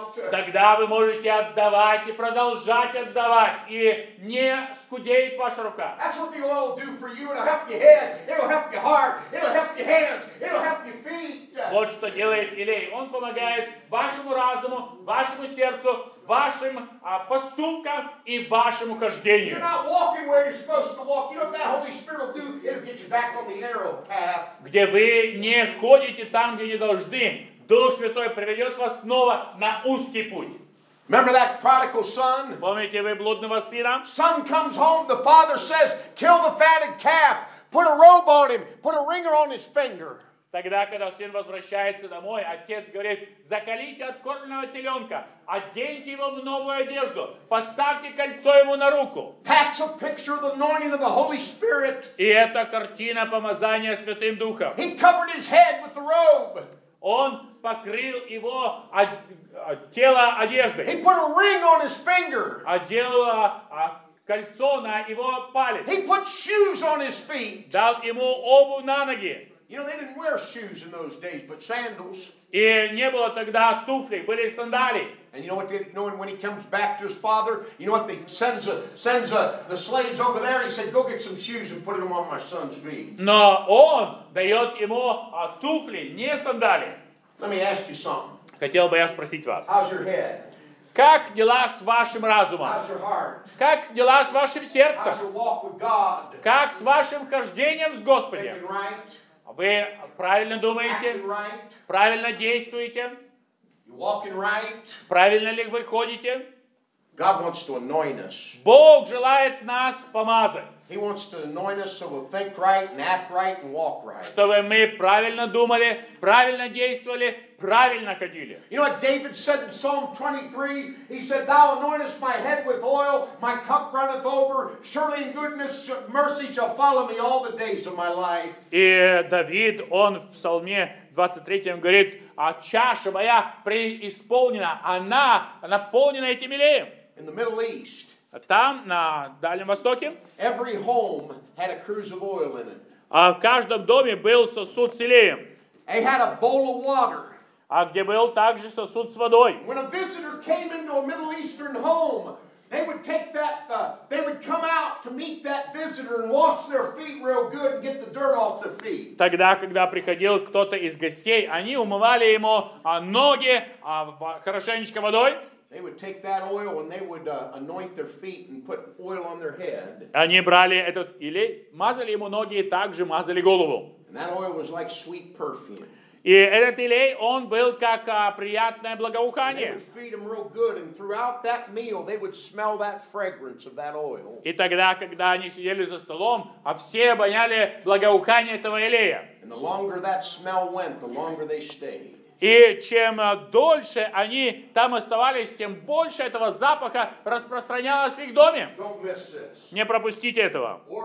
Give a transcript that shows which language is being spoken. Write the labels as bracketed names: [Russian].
[Russian] Тогда вы можете отдавать и продолжать отдавать, и не скудеет ваша рука. [English] That's what the oil will do for you. It'll help your head, it'll help your heart, it'll help your hands, it'll help your feet. [Russian] Вот что делает елей. Он помогает вашему разуму, вашему сердцу, вашим поступкам и вашему хождению. [English] You're not walking where you're supposed to walk. You know what that Holy Spirit will do? It'll get you back on the narrow path. [Russian] Где вы не ходите там, где не должны, Дух Святой приведет вас снова на узкий путь. [English] Remember that prodigal son? [Russian] Помните вы блудного сына? [English] Son comes home, the father says, kill the fatted calf, put a robe on him, put a ringer on his finger. [Russian] Тогда, когда сын возвращается домой, отец говорит, закалите откормленного теленка, оденьте его в новую одежду, поставьте кольцо ему на руку. [English] That's a picture of the anointing of the Holy Spirit. [Russian] И это картина помазания Святым Духом. [English] He covered his head with the robe. [Russian] Он покрыл его тело одеждой. [English] He put a ring on his finger. [Russian] Одел кольцо на его палец. [English] He put shoes on his feet. [Russian] Дал ему обувь на ноги. [English] You know, they didn't wear shoes in those days, but sandals. [Russian] И не было тогда туфлей, были сандалии. [English] And you know what they didn't know when he comes back to his father? You know what they sends the slaves over there? He said, go get some shoes and put them on my son's feet. [Russian] Но он дает ему туфли, не сандалии. [English] Let me ask you something. [Russian] Хотел бы я спросить вас. [English] How's your head? [Russian] Как дела с вашим разумом? [English] How's your heart? [Russian] Как дела с вашим сердцем? [English] How's your walk with God? [Russian] Как с вашим хождением с Господом? [English] Thinking right? [Russian] Вы правильно думаете? [English] Right. [Russian] Правильно действуете? [English] Right. [Russian] Правильно ли вы ходите? [English] God wants to anoint us. [Russian] Бог желает нас помазать. [English] He wants to anoint us so we'll think right and act right and walk right. [Russian] Чтобы мы правильно думали, правильно действовали, правильно ходили. [English] You know what David said in Psalm 23? He said, Thou anointest my head with oil, my cup runneth over, surely in goodness and mercy shall follow me all the days of my life. [Russian] И Давид, он в Псалме 23 говорит, а чаша моя преисполнена, она наполнена этим елеем. [English] In the Middle East. [Russian] Там, на Дальнем Востоке, [English] every home had a cruse of oil in it. [Russian] В каждом доме был сосуд с елеем. [English] They had a bowl of water. [Russian] А где был также сосуд с водой. [English] When a visitor came into a Middle Eastern home, they would take that, they would come out to meet that visitor and wash their feet real good and get the dirt off their feet. [Russian] Тогда, когда приходил кто-то из гостей, они умывали ему ноги хорошенечко водой. [English] They would take that oil and they would anoint their feet and put oil on their head. [Russian] Они брали этот елей, мазали ему ноги и также мазали голову. [English] And that oil was like sweet perfume. [Russian] И этот елей, он был как приятное благоухание. [English] They would feed them real good, and throughout that meal, they would smell that fragrance of that oil. [Russian] И тогда, когда они сидели за столом, все обоняли благоухание этого елея. [English] And the longer that smell went, the longer they stayed. [Russian] И чем дольше они там оставались, тем больше этого запаха распространялось в их доме. Не пропустите этого.